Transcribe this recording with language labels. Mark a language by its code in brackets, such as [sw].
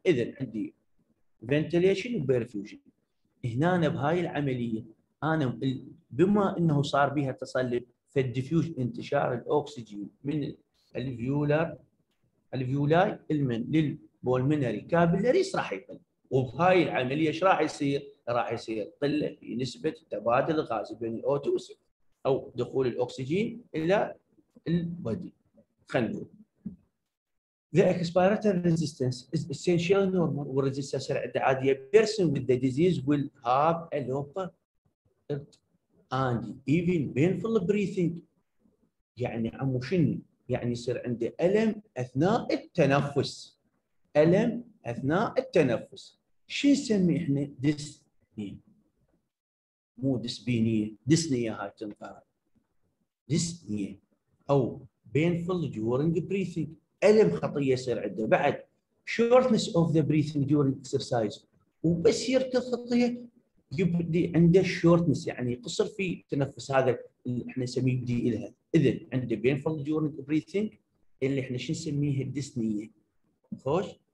[ar] اذا عندي فنتليشن وبيرفيوجن هنا بهاي العمليه انا بما انه صار بها تصلب فالديفيوج انتشار الاكسجين من الالفيولار الالفيولاي المن للبولمينري كابلريز راح يقل وبهاي العمليه ايش راح يصير؟ راح يصير قله في نسبه التبادل الغازي بين الاوتوس او دخول الاكسجين الى البدي. خلينا نقول [en] The expiratory resistance is essentially normal. [ar] والريزستنسر عادية. [en] Person with the disease will have a low heart and even painful breathing. [ar] يعني عمو شنو؟ يعني يصير عنده ألم أثناء التنفس. ألم أثناء التنفس. شو نسمي احنا؟ دسنية. مو دسبينية، دسنية هاي تنقال. دسنية أو [en] painful during breathing. [ar] الم خطيه يصير عنده بعد [en] shortness of the breathing during exercise [ar] وبس يركض خطيه يبدي عنده shortness يعني قصر في التنفس هذا اللي احنا نسميه يبدي لها اذا عنده painful during breathing اللي احنا شو نسميها الدسنيه خوش